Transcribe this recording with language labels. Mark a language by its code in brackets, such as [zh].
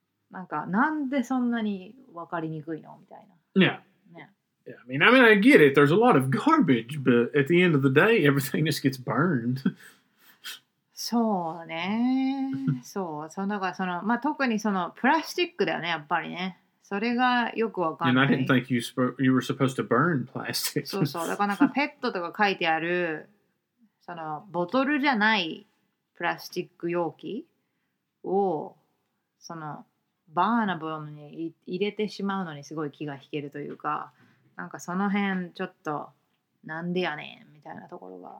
[ja] なんか、なんでそんなにわかりにくいのみたいな。 [en] Yeah. Yeah. Yeah. I mean, I get it. There's a lot of garbage, but at the end of the day, everything just gets burned. [ja] そうね。そう。そのだからその、まあ、特にそのプラスチックだよね、やっぱりね。それがよくわかんない。 [en] And I didn't think you were supposed to burn plastic. [ja] そうそう。だからなんかペットとか書いてある、そのボトルじゃないプラスチック容器を、そのバーナブルに入れてしまうのにすごい気が引けるというか、なんかその辺ちょっと、なんでやねんみたいなところが。